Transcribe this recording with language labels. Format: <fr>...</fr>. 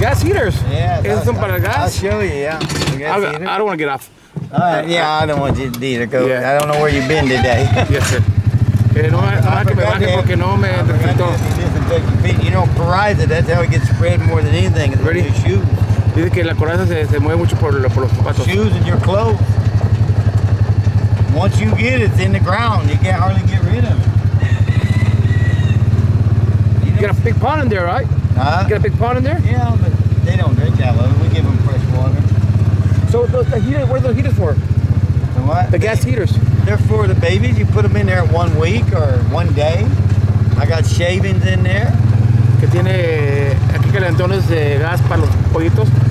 <en>Gas heaters? Yeah. Is some para gas? I'll show you, yeah. I don't want to get off. I don't want you to either go. Yeah. I don't know where you've been today. Yes, sir. No, I forgot that.</en> <es>Porque no me desinfectó.</es> <en>You know, coraza, that's how it gets spread more than anything. It's ready? Shoes.</en> <es>Dice que la coraza se mueve mucho por los zapatos.</es> <en>Shoes and your clothes. Once you get it, it's in the ground. You can't hardly get rid of it. You got a big pond in there, right? Huh? You got a big pond in there? Yeah, but they don't drink out of it. We give them fresh water. So the heaters, what are the heaters for? The what? The gas heaters. They're for the babies. You put them in there 1 week or 1 day. I got shavings in there.</en> <es>Que tiene aquí calentones de gas para los pollitos.</es>